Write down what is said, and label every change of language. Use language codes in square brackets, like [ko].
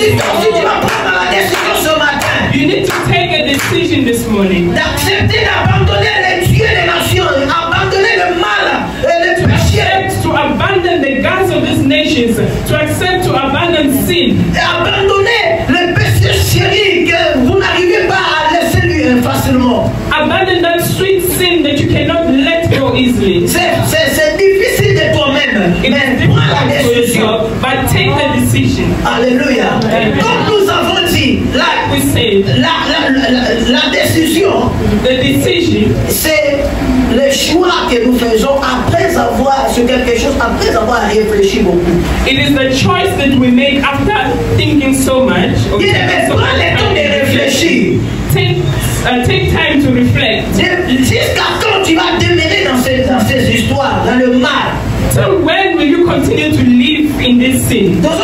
[fr] Si toi aussi tu vas prendre la décision ce matin. [en] You need to take a decision this morning. [fr] D'accepter d'abandonner les dieux des nations, abandonner le mal et le péché. [en] To abandon the gods of these nations, to accept to abandon sin. [fr] Et abandonner le péché chéri que vous n'arrivez pas à laisser lui facilement. [en] Abandon that sweet sin that you cannot let go easily. [fr] C'est difficile de toi-même, mais prends la décision. [en] But take the decision. [fr] Alléluia. Comme nous avons dit, la décision, [en] the decision, [fr] c'est le choix que nous faisons après avoir sur quelque chose, après avoir réfléchi beaucoup. [en] It is the choice that we make after thinking so much. [fr] Il ne met pas le temps de réfléchir. [en] Take time to reflect. [fr] Jusqu'à quand tu vas demeurer dans ces histoires, dans le mal. [en] So when will you continue to live in this sin?